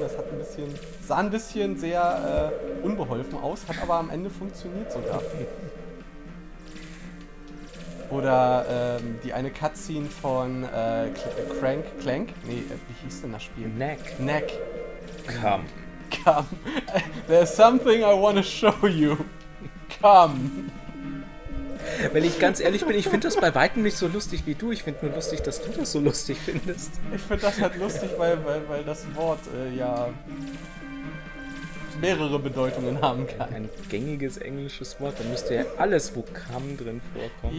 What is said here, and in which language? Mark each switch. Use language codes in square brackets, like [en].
[de] Das hat ein bisschen, sah ein bisschen sehr unbeholfen aus, hat aber am Ende funktioniert sogar. Oder die eine Cutscene von Crank, Clank? Nee, wie hieß denn das Spiel? Neck. [en] Come. There's something I want to show you. Come. [de] Wenn ich ganz ehrlich bin, ich finde das bei Weitem nicht so lustig wie du. Ich finde nur lustig, dass du das so lustig findest. Ich finde das halt lustig, weil das Wort ja mehrere Bedeutungen haben kann. Ein gängiges englisches Wort. Da müsste ja alles, wo come drin vorkommt.